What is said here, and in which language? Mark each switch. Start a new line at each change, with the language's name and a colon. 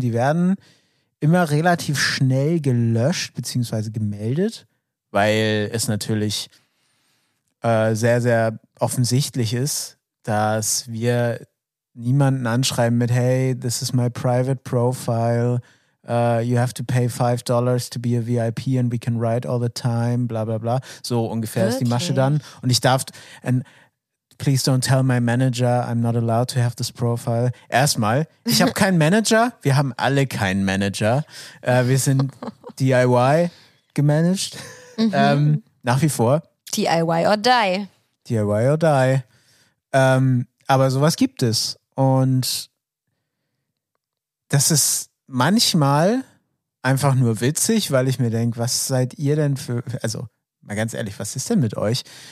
German: Die werden immer relativ schnell gelöscht bzw. gemeldet, weil es natürlich sehr, sehr offensichtlich ist, dass wir niemanden anschreiben mit »
English: Hey, this is my private profile«. You have to pay $5 to be a VIP and we can write all the time, bla bla bla.
German: So ungefähr ist die Masche dann. Und ich darf,
English: and please don't tell my manager, I'm not allowed to have this profile.
German: Erstmal, ich habe keinen Manager, wir haben alle keinen Manager. Wir sind DIY gemanagt. Mhm. Nach wie vor.
English: DIY or die. DIY or die.
German: Aber sowas gibt es. Und das ist manchmal einfach nur witzig, weil ich mir denke, was seid ihr denn für, also mal ganz ehrlich, was ist denn mit euch?